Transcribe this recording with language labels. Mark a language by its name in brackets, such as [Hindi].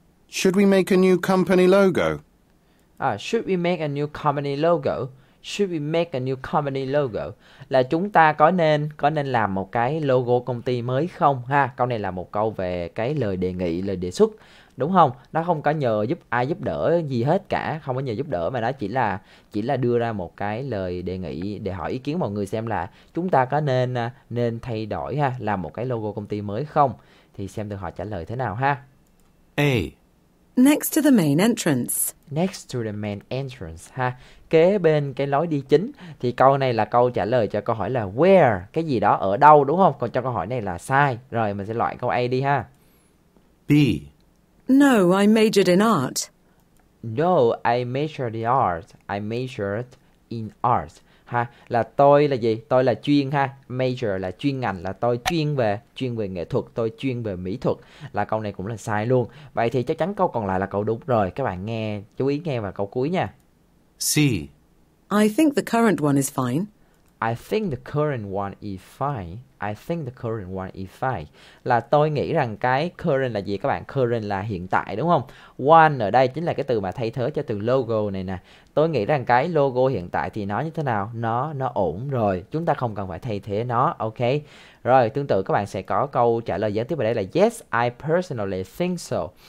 [English] Should we make a new company logo? Should we make a new company logo? Should we make a new company logo? [Vietnamese] Là chúng ta có nên làm một cái logo công ty mới không ha? Câu này là một câu về cái lời đề nghị, lời đề xuất, đúng không? Nó không có nhờ giúp ai giúp đỡ gì hết cả, không có nhờ giúp đỡ mà nó chỉ là đưa ra một cái lời đề nghị để hỏi ý kiến mọi người xem là chúng ta có nên nên thay đổi ha, làm một cái logo công ty mới không? Thì xem được họ trả lời thế nào ha. [English] A. Next to the main entrance. Next to the main entrance [Vietnamese] ha, kế bên cái lối đi chính, thì câu này là câu trả lời cho câu hỏi là where, cái gì đó ở đâu đúng không? Còn cho câu hỏi này là sai. Rồi mình sẽ loại câu A đi ha. [English] B. No, I majored in art. No, I majored in art. I majored in art. [Vietnamese] Ha, là tôi là gì? Tôi là chuyên ha. Major là chuyên ngành, là tôi chuyên về nghệ thuật, tôi chuyên về mỹ thuật. Là câu này cũng là sai luôn. Vậy thì chắc chắn câu còn lại là câu đúng rồi. Các bạn nghe, chú ý nghe vào câu cuối nha. [English] C. I think the current one is fine. I think the current one is fine. I think the current one is fine. [Vietnamese] Là tôi nghĩ rằng cái current là gì các bạn? Current là hiện tại đúng không? One ở đây chính là cái từ mà thay thế cho từ logo này nè. Tôi nghĩ rằng cái logo hiện tại thì nó như thế nào? Nó ổn rồi. Chúng ta không cần phải thay thế nó. Ok. Rồi, tương tự các bạn sẽ có câu trả lời gián tiếp ở đây là [English] yes, I personally think so.